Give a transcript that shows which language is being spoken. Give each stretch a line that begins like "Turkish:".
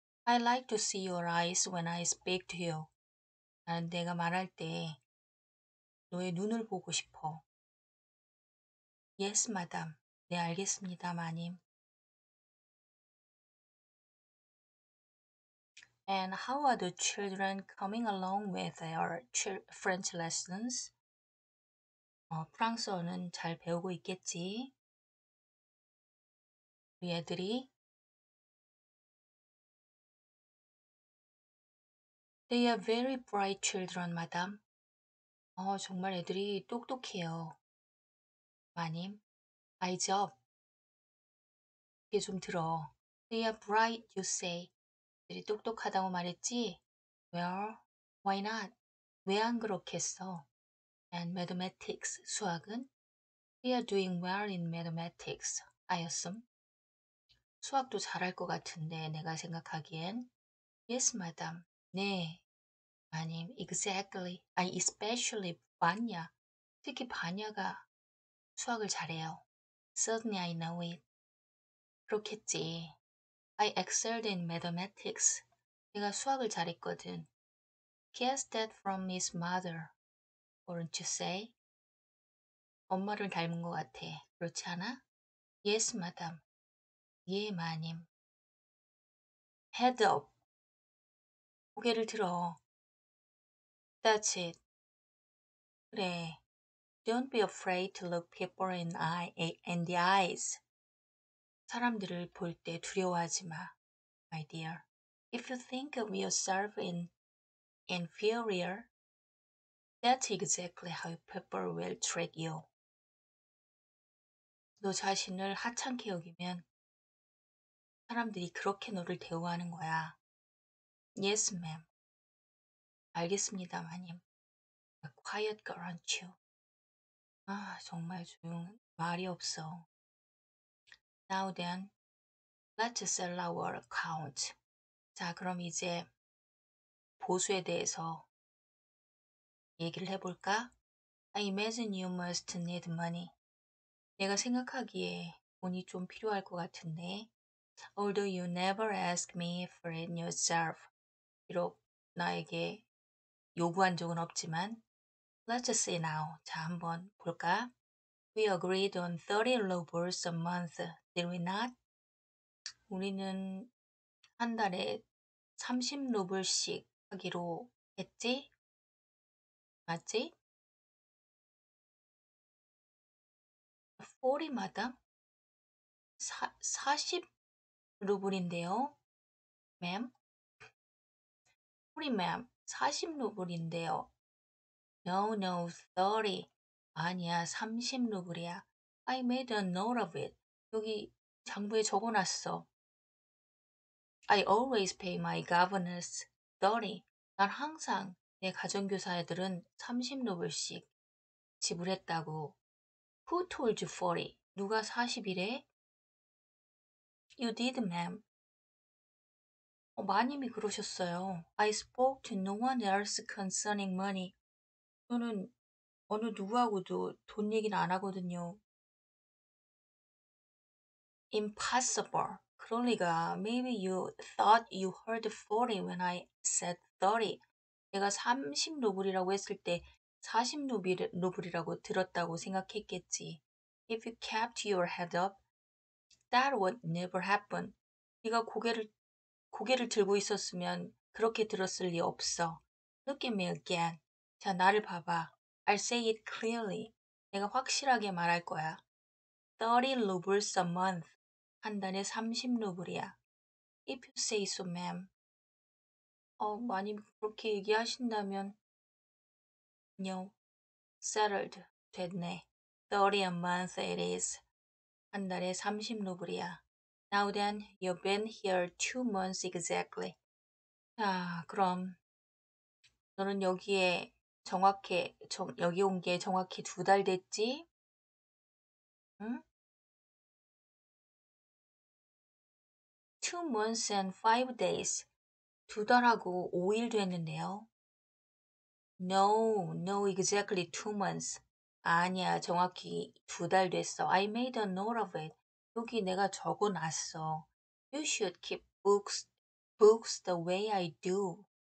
English: I like to see your eyes when I speak to you.
Korean: 나는 내가 말할 때 너의 눈을 보고 싶어.
English: Yes, madam.
Korean: 네, 알겠습니다, 마님.
English: And how are the children coming along with their French lessons?
Korean: 프랑스어는 잘 배우고 있겠지? 우리 애들이?
English: They are very bright children, madam.
Korean: 정말 애들이 똑똑해요. 마님,
English: eyes up.
Korean: 귀 좀 들어.
English: They are bright, you say.
Korean: 애들이 똑똑하다고 말했지?
English: Well, why not?
Korean: 왜 안 그렇겠어?
English: And mathematics,
Korean: 수학은?
English: They are doing well in mathematics, I assume.
Korean: 수학도 잘할 것 같은데, 내가 생각하기엔.
English: Yes, madam.
Korean: 네. 마님,
English: exactly. I especially, 반야.
Korean: 특히 반야가 수학을 잘해요.
English: Certainly, I know it.
Korean: 그렇겠지.
English: I excelled in mathematics.
Korean: 내가 수학을 잘했거든.
English: Guess that from his mother, wouldn't you say?
Korean: 엄마를 닮은 것 같아. 그렇지 않아?
English: Yes, madam.
Korean: 예, 마님.
English: Head up.
Korean: 고개를 들어.
English: That's it.
Korean: 그래.
English: Don't be afraid to look people in the eyes.
Korean: 사람들을 볼 때 두려워하지 마,
English: my dear. If you think of yourself in inferior, that's exactly how people will treat you.
Korean: 너 자신을 하찮게 여기면 사람들이 그렇게 너를 대우하는 거야.
English: Yes, ma'am.
Korean: 알겠습니다, 마님.
English: A quiet girl, aren't you?
Korean: 아, 정말 조용한 말이 없어.
English: Now then, let's sell our account.
Korean: 자, 그럼 이제 보수에 대해서 얘기를 해볼까?
English: I imagine you must need money.
Korean: 내가 생각하기에 돈이 좀 필요할 것 같은데.
English: Although you never ask me for it yourself.
Korean: 비록 나에게 요구한 적은 없지만.
English: Let's see now.
Korean: 자, 한번 볼까?
English: We agreed on 30 rubles a month, did we not?
Korean: 우리는 한 달에 30루블씩 하기로 했지? 맞지?
English: 40, madam?
Korean: 40루블인데요,
English: ma'am? 40, ma'am.
Korean: 40루블인데요.
English: No, no, 30.
Korean: 아니야, 30루블이야.
English: I made a note of it.
Korean: 여기 장부에 적어놨어.
English: I always pay my governess 30.
Korean: 난 항상 내 가정교사 애들은 30루블씩 지불했다고.
English: Who told you 40?
Korean: 누가 40이래?
English: You did, ma'am.
Korean: 마님이 그러셨어요.
English: I spoke to no one else concerning money.
Korean: 저는 어느 누구하고도 돈 얘기는 안 하거든요.
English: Impossible.
Korean: 그러니까
English: maybe you thought you heard 40 when I said 30.
Korean: 내가 30루블이라고 했을 때 40루블이라고 들었다고 생각했겠지.
English: If you kept your head up, that would never happen.
Korean: 네가 고개를 들고 있었으면 그렇게 들었을 리 없어.
English: Look at me again.
Korean: 자, 나를 봐봐.
English: I'll say it clearly.
Korean: 내가 확실하게 말할 거야.
English: 30 rubles a month.
Korean: 한 단에 30루블이야.
English: If you say so, ma'am.
Korean: 만일 그렇게 얘기하신다면, 그냥 settled 됐네.
English: 30 a month it is.
Korean: 한 달에 30루블이야.
English: Now then, you've been here 2 months exactly.
Korean: 자, 그럼 너는 여기에 정확히 여기 온게 정확히 두 달 됐지? 응?
English: 2 months and 5 days.
Korean: 두 달하고 5일 됐는데요.
English: No, no, exactly 2 months.
Korean: 아니야, 정확히 두 달 됐어.
English: I made a note of it.
Korean: 여기 내가 적어놨어.
English: You should keep books the way I do.